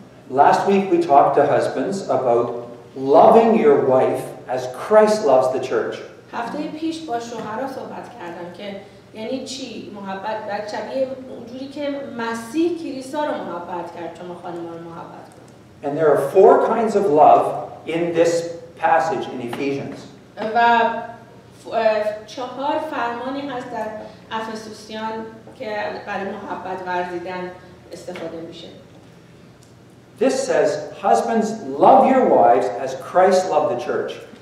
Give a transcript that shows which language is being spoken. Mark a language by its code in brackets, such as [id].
[en] Last week we talked to husbands about loving your wife as Christ loves the church. [fa] هفته پیش با شوهرها صحبت کردم که یعنی چی محبت و شبیه اونجوری که مسیح کلیسا رو محبت کرد چون خانم رو محبت کرد. [en] And there are four kinds of love in this passage in Ephesians. [fa] و چهار فرمانی هست در افسوسیان که برای محبت ورزیدن استفاده میشه. [en] This says, husbands, love your wives as Christ loved the church.